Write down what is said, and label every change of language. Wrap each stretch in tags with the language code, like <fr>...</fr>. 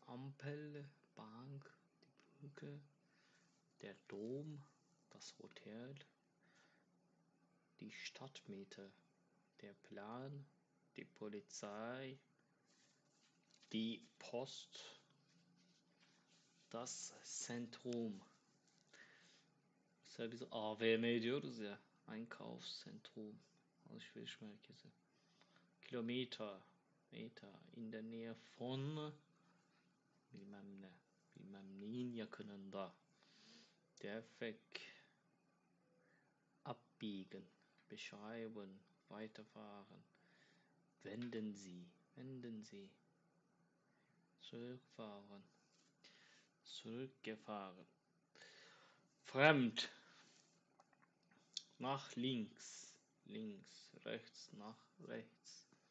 <de>Ampel, Bank, die Brücke, der Dom, das Hotel, die Stadtmitte, der Plan, die Polizei, die Post, das Zentrum.</de> <tr>Mesela biz AVM diyoruz ya, Einkaufszentrum, alışveriş merkezi.</tr> <de>Kilometer. Meta, in der Nähe von,</de> <tr>bilmem ne, bilmem neyin yakınında,</tr> <de>defek, abbiegen, beschreiben, weiterfahren, wenden Sie, zurückfahren, zurückgefahren, fremd, nach links, links, rechts, nach rechts.</de>